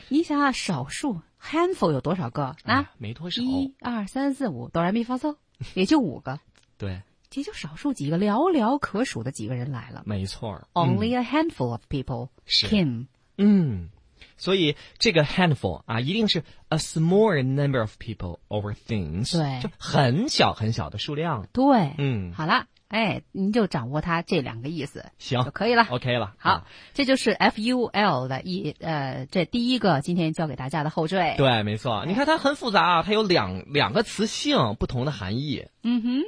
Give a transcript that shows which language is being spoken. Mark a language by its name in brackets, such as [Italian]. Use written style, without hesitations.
[Chinese] 你想想，少数 handful 有多少个？那，啊，没多少，一二三四五，哆来咪发嗦，也就五个。对，也就少数几个，寥寥可数的几个人来了。没错。 [English] Only a handful of people. Came. [Chinese] 嗯，所以这个 handful 啊，一定是 [English] a small number of people over things. [Chinese] 对，就很小很小的数量。对，嗯，好了。哎，您就掌握它这两个意思，行，就可以了，OK 了。好，嗯，这就是 FUL 的这第一个今天教给大家的后缀。对，没错，哎，你看它很复杂啊，它有两个词性不同的含义。嗯哼，